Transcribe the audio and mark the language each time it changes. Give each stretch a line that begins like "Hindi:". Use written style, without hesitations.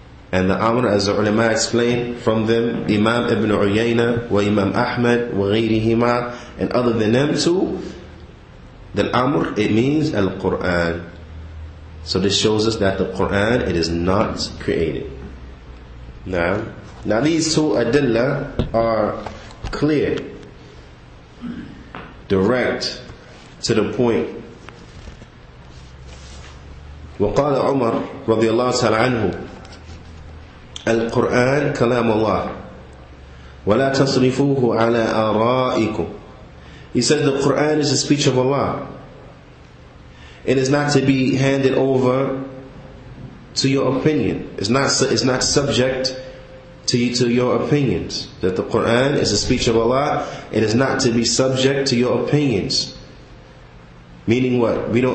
English: And the amr, as the ulama explained, from them, Imam Ibn Uyayna, wa Imam Ahmad,
Arabic: wa ghayrihima,
English: and other than them too, the amr, it means al-Qur'an. So this shows us that the Qur'an, it is not created. Now these two adilla are clear, direct, to the point.
Arabic: وقال عمر رضي الله تعالى عنه القرآن كلام الله ولا تصرفوه على آرائكم.
English: He said the Quran is the speech of Allah. It is not to be handed over to your opinion. It's not subject to your opinions. That the Quran is the speech of Allah. It is not to be subject to your opinions. Meaning what?